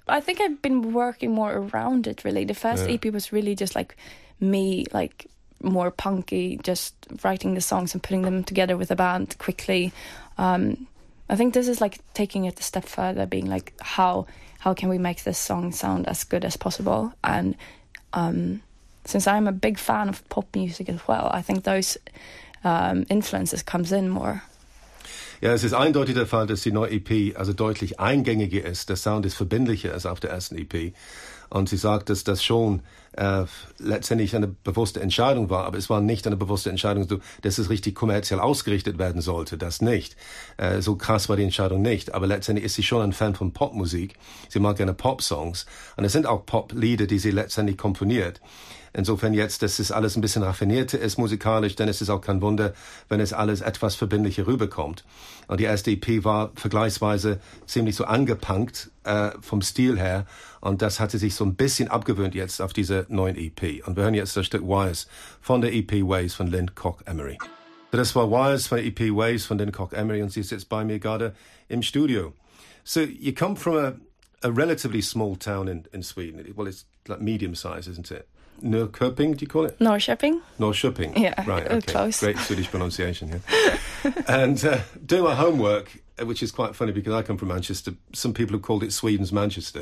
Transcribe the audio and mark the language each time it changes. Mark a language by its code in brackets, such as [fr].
[en] I think I've been working more around it, really. The first EP was really just like me, like more punky, just writing the songs and putting them together with a band quickly. I think this is like taking it a step further, being like, how can we make this song sound as good as possible? And since I'm a big fan of pop music as well, I think those influences comes in more. [de] Ja, es ist eindeutig der Fall, dass die neue EP also deutlich eingängiger ist. Der Sound ist verbindlicher als auf der ersten EP. Und sie sagt, dass das schon letztendlich eine bewusste Entscheidung war, aber es war nicht eine bewusste Entscheidung, dass es richtig kommerziell ausgerichtet werden sollte. Das nicht. So krass war die Entscheidung nicht. Aber letztendlich ist sie schon ein Fan von Popmusik. Sie mag gerne Popsongs. Und es sind auch Poplieder, die sie letztendlich komponiert. Insofern jetzt, dass es alles ein bisschen raffinierter ist musikalisch, dann ist es auch kein Wunder, wenn es alles etwas verbindlicher rüberkommt. Und die erste EP war vergleichsweise ziemlich so angepunkt vom Stil her. Und das hat sie sich so ein bisschen abgewöhnt jetzt auf diese neuen EP. Und wir hören jetzt das Stück Wires von der EP Waves von Lynn Cock Emery. Das war Wires von der EP Waves von Lynn Cock Emery und sie sitzt bei mir gerade im Studio. [en] So, you come from a relatively small town in Sweden. Well, it's like medium size, isn't it? Norrköping, do you call it? Norrköping. Norrköping. Yeah, right, okay. Close. Great Swedish pronunciation, yeah. And doing my homework, which is quite funny because I come from Manchester, some people have called it Sweden's Manchester.